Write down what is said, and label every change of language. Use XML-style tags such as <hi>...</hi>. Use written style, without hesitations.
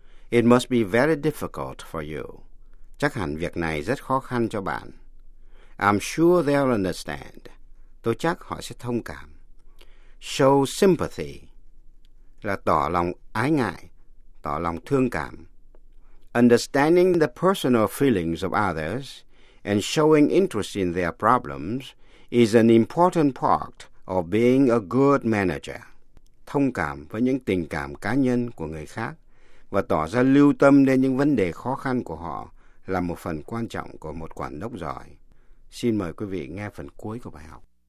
<en>It must be very difficult for you.</en> <vi>Chắc hẳn việc này rất khó khăn cho bạn.</vi> <en>I'm sure they'll understand.</en> <vi>Tôi chắc họ sẽ thông cảm. Show sympathy là tỏ lòng ái ngại, tỏ lòng thương cảm.</vi> <en>Understanding the personal feelings of others and showing interest in their problems is an important part of being a good manager.</en> <vi>Thông cảm với những tình cảm cá nhân của người khác và tỏ ra lưu tâm đến những vấn đề khó khăn của họ là một phần quan trọng của một quản đốc giỏi. Xin mời quý vị nghe phần cuối của bài học.</vi>